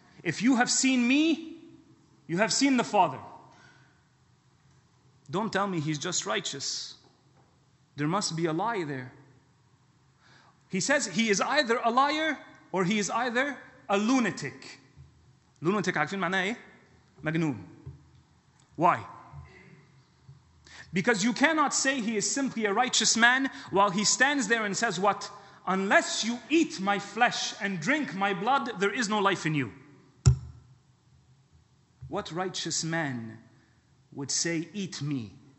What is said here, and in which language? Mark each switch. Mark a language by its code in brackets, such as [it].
[en] If you have seen me, you have seen the Father. Don't tell me he's just righteous. There must be a lie there. He says he is either a liar or he is either a lunatic. [ar] Lunatic, عارفين معناه ايه؟ مجنون. [en] Why? Because you cannot say he is simply a righteous man while he stands there and says what? Unless you eat my flesh and drink my blood, there is no life in you. What righteous man would say, eat me?